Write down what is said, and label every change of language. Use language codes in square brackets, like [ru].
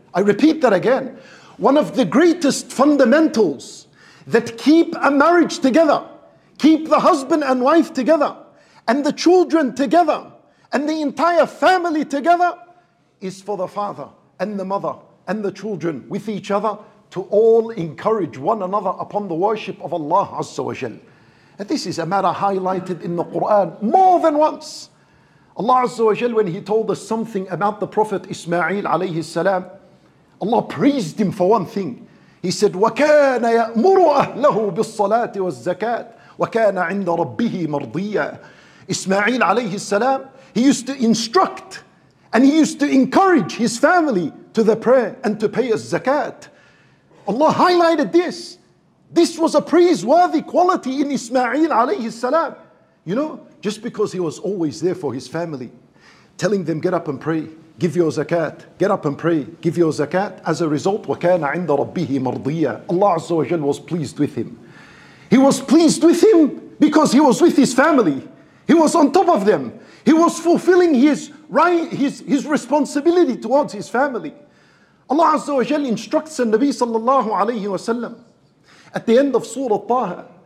[en] I repeat that again. One of the greatest fundamentals that keep a marriage together, keep the husband and wife together, and the children together, and the entire family together, is for the father and the mother and the children with each other to all encourage one another upon the worship of Allah Azza wa Jal. And this is a matter highlighted in the Quran more than once. Allah Azza wa Jal, when he told us something about the Prophet Ismail alayhi salam, Allah praised him for one thing. He said, [ar] وَكَانَ يَأْمُرُ أَهْلَهُ بِالصَّلَاةِ وَالزَّكَاةِ وَكَانَ عِنْدَ رَبِّهِ مَرْضِيًّا. [en] Ismail alayhi salam, he used to instruct and he used to encourage his family to the prayer and to pay his zakat. Allah highlighted this. This was a praiseworthy quality in Ismail alayhi salam. You know, just because he was always there for his family, telling them, get up and pray, give your zakat, get up and pray, give your zakat. As a result, [ar] وَكَانَ عِنْدَ رَبِّهِ مَرْضِيًّا. [en] Allah Azza wa Jal was pleased with him. He was pleased with him because he was with his family. He was on top of them. He was fulfilling his responsibility towards his family. Allah Azza wa Jal instructs the Nabi sallallahu alayhi wa sallam at the end of Surah Taha.